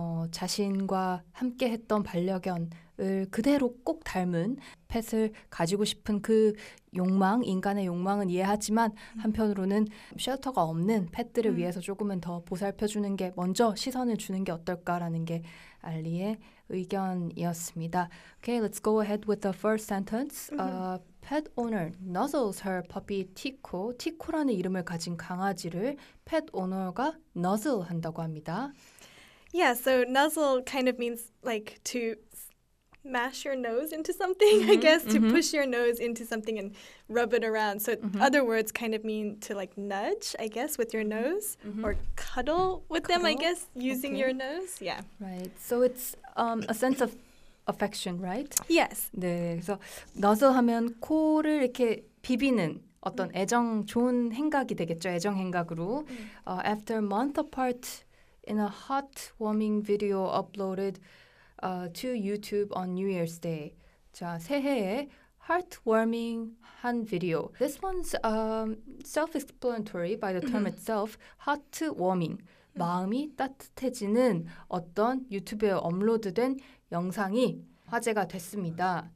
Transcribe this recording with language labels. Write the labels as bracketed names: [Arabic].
[Korean] 자신과 함께 했던 반려견을 그대로 꼭 닮은 펫을 가지고 싶은 그 욕망, 인간의 욕망은 이해하지만 한편으로는 쉘터가 없는 펫들을 위해서 조금은 더 보살펴주는 게 먼저 시선을 주는 게 어떨까라는 게 알리의 의견이었습니다. [English] Okay, let's go ahead with the first sentence. Pet owner nuzzles her puppy Tico. [Korean] Tico라는 이름을 가진 강아지를 pet owner가 nuzzle 한다고 합니다. [English] Yeah, so nuzzle kind of means like to mash your nose into something, mm-hmm, I guess, mm-hmm. to push your nose into something and rub it around. So mm-hmm. other words kind of mean to like nudge, I guess, with your nose mm-hmm. or cuddle with cuddle? Them, I guess, using okay. your nose. Yeah. Right. So it's a sense of affection, right? Yes. [Korean] 네. 그래서 nuzzle 하면 코를 이렇게 비비는 어떤 애정 좋은 행각이 되겠죠. 애정 행각으로. [English] After a month apart, in a heartwarming video uploaded to YouTube on New Year's Day. [Korean] 자, 새해에 heartwarming 한 video. [English] This one's self-explanatory by the term mm-hmm. itself. Heartwarming. Mm-hmm. [Korean] 마음이 따뜻해지는 어떤 유튜브에 업로드된 영상이 화제가 됐습니다.